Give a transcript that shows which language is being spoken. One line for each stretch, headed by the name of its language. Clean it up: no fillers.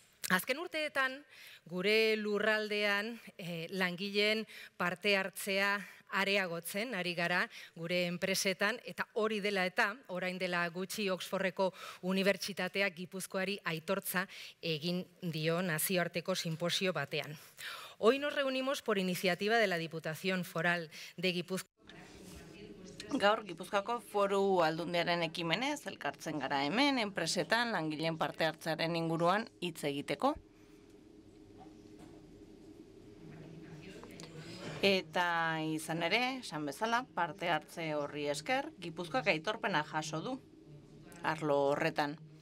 Basque: Azken urteetan, gure lurraldean langileen parte hartzea areagotzen ari gara gure enpresetan, eta hori dela eta orain dela gutxi Oxfordeko Unibertsitateak Gipuzkoari aitortza egin dio nazioarteko simposio batean.
Spanish: Hoy nos reunimos por iniciativa de la Diputación Foral de Gipuzkoa.
Basque: Gaur Gipuzkoako foru aldundiaren ekimenez elkartzen gara hemen enpresetan langileen parte hartzearen inguruan hitz egiteko. Eta izan ere, esan bezala, parte hartze horri esker Gipuzkoak aitorpena jaso du arlo horretan.